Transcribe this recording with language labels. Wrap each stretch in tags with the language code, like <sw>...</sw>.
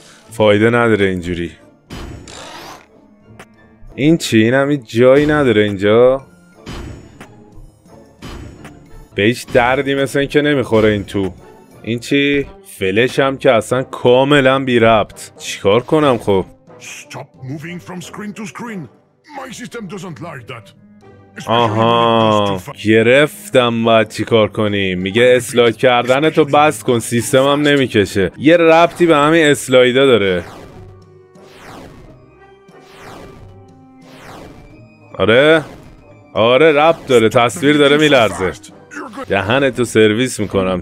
<fa>فایده نداره اینجوری. این چی؟ این هم جایی نداره اینجا. به هیچ دردی مثل این که نمیخوره این تو. این چی؟ فلش هم که اصلا کاملا بی ربط. چیکار کنم خب؟</fa> <en>Stop moving from screen to screen. My system doesn't like that.</en> <fa>آها گرفتم باید چی کار کنیم. میگه اسلاید کردن تو بس کن، سیستمم نمیکشه. یه ربطی به همین اسلایدا داره. آره ربط داره، تصویر داره میلرزه. دهنتو سرویس میکنم.</fa>